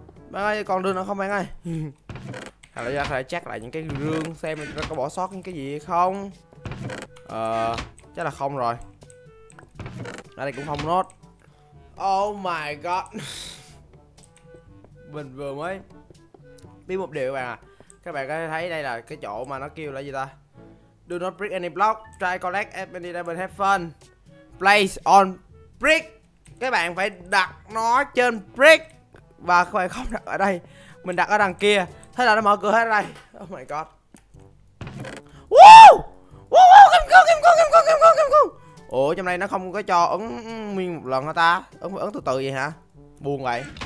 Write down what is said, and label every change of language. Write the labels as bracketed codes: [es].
[vi] Bạn ơi còn đường nào không bạn ơi? Thằng này ra phải check lại những cái gương xem mình có bỏ sót những cái gì không. Chắc là không rồi. Ở đây cũng không nốt. [en] Oh my god. [vi] Mình vừa mới biết một điều các bạn à. Các bạn có thể thấy đây là cái chỗ mà nó kêu là gì ta? [en] Do not break any block. Try collect any diamond have fun. Place on brick. [vi] Các bạn phải đặt nó trên brick. Và các bạn không đặt ở đây. Mình đặt ở đằng kia. Thế là nó mở cửa hết đây. [en] Oh my god. [vi] Woo. Woo woo. Kim cương kim cương kim cương kim cương kim cương. Ủa trong đây nó không có cho ấn nguyên một lần hả ta? Ấn từ từ vậy hả? Buồn vậy.